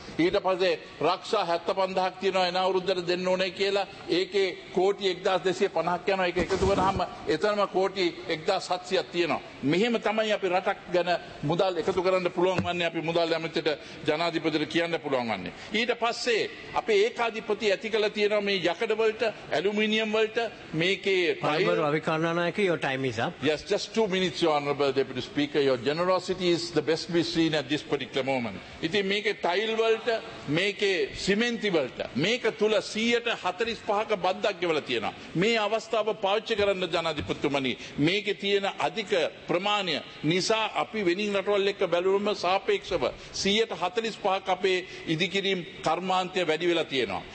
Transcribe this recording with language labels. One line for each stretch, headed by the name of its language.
Sinhala: ඊට පස්සේ රක්ෂා 75000ක් තියෙනවා එන අවුරුද්දට දෙන්න ඕනේ කියලා ඒකේ කෝටි 1250ක් යනවා ඒක එකතු කරාම එතනම කෝටි 1700ක් තියෙනවා. මෙහෙම තමයි අපි රටක් ගැන මුදල් එකතු කරන්න පුළුවන් වන්නේ අපි මුදල් ඇමතිට ජනාධිපතිට කියන්න පුළුවන් වන්නේ. ඊට පස්සේ අපි ඒකාධිපති ඇති කළ තියෙනවා මේ යකඩ වලට ඇලුමිනියම් වලට මේකේ
English: Fibre අවිකර්ණනායක your time is up. Yes, just 2 minutes, Your Honorable Deputy Speaker. Your generosity is the best we've seen at this particular moment.
Sinhala: ඉතින් මේකේ ටයිල් වලට මේකේ සිමෙන්ති වලට මේක තුල 145ක බද්දක් ගෙවලා තියෙනවා. මේ අවස්ථාව පාවිච්චි කරන්න ජනාධිපතිතුමනි මේකේ තියෙන අධික ප්‍රමාණය නිසා අපි වෙනින් රටවල් එක්ක බැලුවම සාපේක්ෂව 145ක් අපේ ඉදිකිරීම් කර්මාන්තය වැඩි වෙලා තියෙනවා.